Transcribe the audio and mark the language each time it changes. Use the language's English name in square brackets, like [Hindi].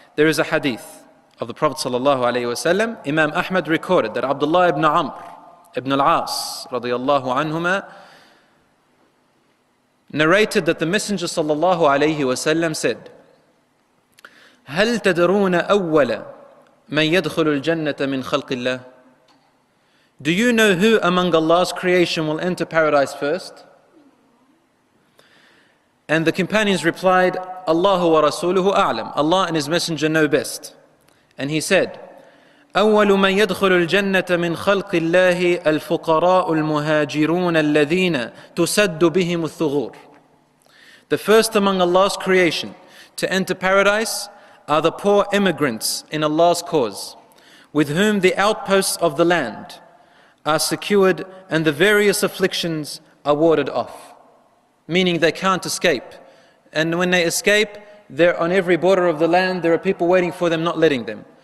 [English] There is a hadith of the Prophet sallallahu alayhi wa sallam. Imam Ahmad recorded that Abdullah ibn Amr ibn al-As radiyallahu anhuma narrated that the Messenger sallallahu alayhi wa sallam said, [Arabic] هَلْ تَدْرُونَ أَوَّلَ مَنْ يَدْخُلُ الْجَنَّةَ مِنْ خَلْقِ اللَّهِ. [English] Do you know who among Allah's creation will enter paradise first? And the companions replied, [Arabic] Allahu wa rasuluhu a'lam. [English] Allah and His Messenger know best. And he said, [Arabic] أول من يدخل الجنة من خلق الله الفقراء المهاجرون الذين تسد بهم الثغور. [English] The first among Allah's creation to enter paradise are the poor immigrants in Allah's cause, with whom the outposts of the land are secured and the various afflictions are warded off. Meaning they can't escape. And when they escape, they're on every border of the land, there are people waiting for them, not letting them.